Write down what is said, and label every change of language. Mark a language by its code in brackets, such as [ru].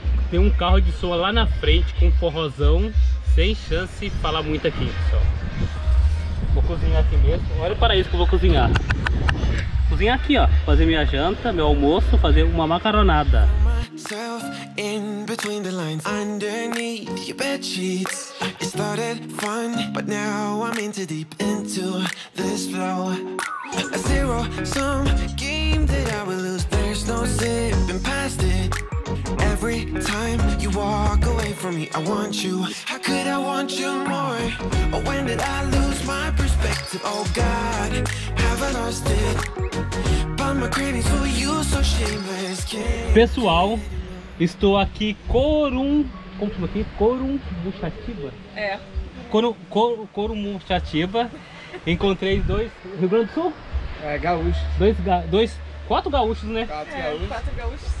[pt] Tem um carro de som lá na frente com forrozão, sem chance de falar muito aqui, pessoal. Vou cozinhar aqui mesmo. Olha para isso que eu vou cozinhar. Cozinhar aqui, ó. Fazer minha janta, meu almoço, fazer uma macaronada. [en] In between the lines, underneath your bed sheets, it started fun, but now I'm into deep into this flow. A zero sum game that I will lose. There's no sipping past it. Every time you walk away from me, I want you. How could I want you more? Oh, when did I lose my perspective? Oh God, have I lost it? But my cravings for you so shameless. [pt] Pessoal, estou aqui Corum. Como chama aqui? Corumbuchativa? É. Corumbuchativa. Encontrei dois. Rio Grande do Sul? É, gaúcho. Quatro gaúchos, né? Quatro gaúchos.